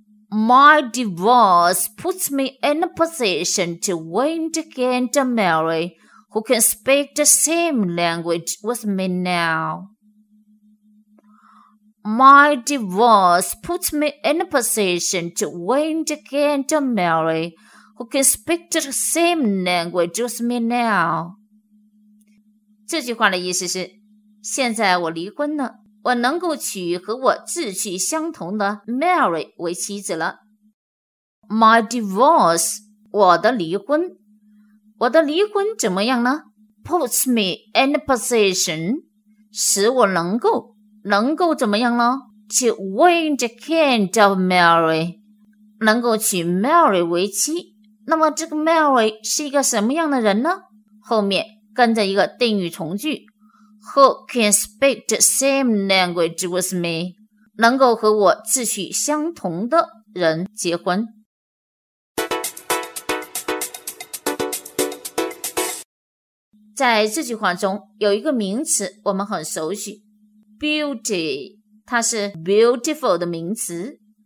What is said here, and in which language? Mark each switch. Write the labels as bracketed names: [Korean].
[English] My divorce puts me in a position to win again to Mary, who can speak the same language with me now. My divorce puts me in a position to win again to Mary, who can speak the same language with me now. [Chinese] 这句话的意思是，现在我离婚了。我能够娶和我志趣相同的 Mary 为妻子了。 [English] My divorce, [Chinese] 我的离婚。我的离婚怎么样呢？ [English] Puts me in a position, [Chinese] 使我能够怎么样呢？ [English] To win the hand of Mary, [Chinese] 能够娶 Mary 为妻。那么这个 Mary 是一个什么样的人呢？后面跟着一个定语从句。 [English] Who can speak the same language with me? [Chinese] 能够和我志趣相同的人结婚。在这句话中，有一个名词我们很熟悉 ，beauty， 它是 beautiful 的名词。